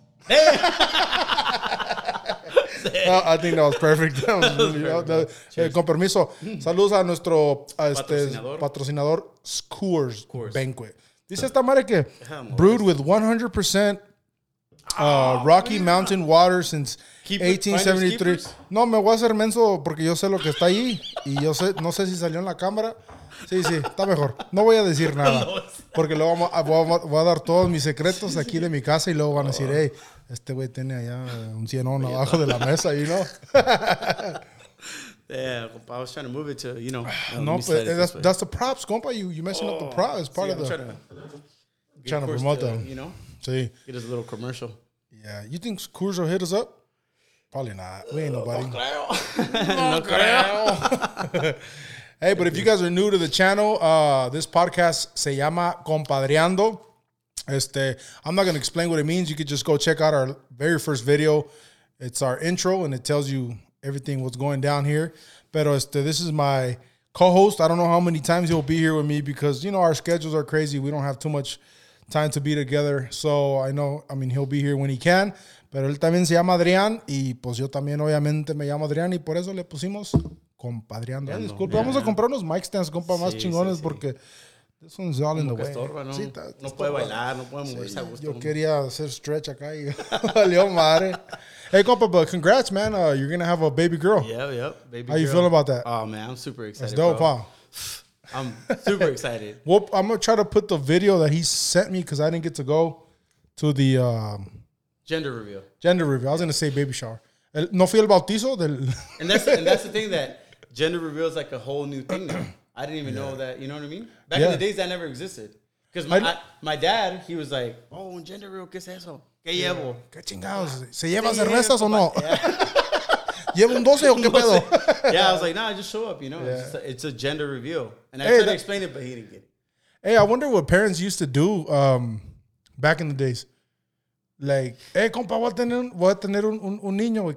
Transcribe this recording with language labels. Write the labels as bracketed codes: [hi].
[en] I think that was perfect. [es] Con permiso. Saludos a nuestro patrocinador, Coors Banquet. Dice esta madre que [en] brewed with 100% Rocky Mountain water since 1873. [es] No, me voy a hacer menso porque yo sé lo que está ahí. Y yo sé, no sé si salió en la cámara. Sí, sí, está mejor. No voy a decir nada. Porque luego voy a dar todos mis secretos aquí de mi casa y luego van a decir, hey. Este güey tiene allá un cienón abajo de la mesa, [en] you know? Yeah, I was trying to move it to, you know. No, but that's the props, compa. You messing up the props. It's part of the... Trying to promote them. You know? [es] Sí. [en] Get us a little commercial. Yeah. You think Coors will hit us up? Probably not. We ain't nobody. [es] No creo. [en] Hey, but if you guys are new to the channel, this podcast [es] se llama Compadreando. [en] I'm not going to explain what it means. You could just go check out our very first video. It's our intro, and it tells you everything what's going down here. Pero this is my co-host. I don't know how many times he'll be here with me because, you know, our schedules are crazy. We don't have too much time to be together. So, he'll be here when he can. [es] Pero él también se llama Adrián, y pues yo también obviamente me llamo Adrián, y por eso le pusimos compadreando. Yeah, disculpe, yeah. Vamos a comprar unos mic stands, compa, sí, más chingones, sí, sí. [en] Porque... This one's all in the way. [es] Estorba, ¿no? Sí, no puede bailar, no puede moverse, sí, a gusto. Yo quería hacer stretch acá y valió madre. [en] Hey, compa, but congrats, man. You're going to have a baby girl. Yep, baby How girl. You feeling about that? Oh, man, I'm super excited. That's dope, bro. Huh? I'm super excited. Well, I'm going to try to put the video that he sent me because I didn't get to go to the... Gender reveal. Gender reveal. I was going to say baby shower. [es] No fui al bautizo del... [en] And that's the thing, that gender reveal is like a whole new thing now. I didn't even know that. You know what I mean? Back in the days, that never existed. Because my dad, he was like, oh, un gender reveal, [es] ¿qué es eso? ¿Qué llevo? ¿Qué chingados? ¿Se lleva cervezas o no? ¿Llevo un 12 o qué pedo? [en] Yeah, I was like, nah, just show up, you know? Yeah. It's a gender reveal. And I tried to explain it, but he didn't get it. Hey, I wonder what parents used to do back in the days. [es] Like, hey, compa, voy a tener un niño.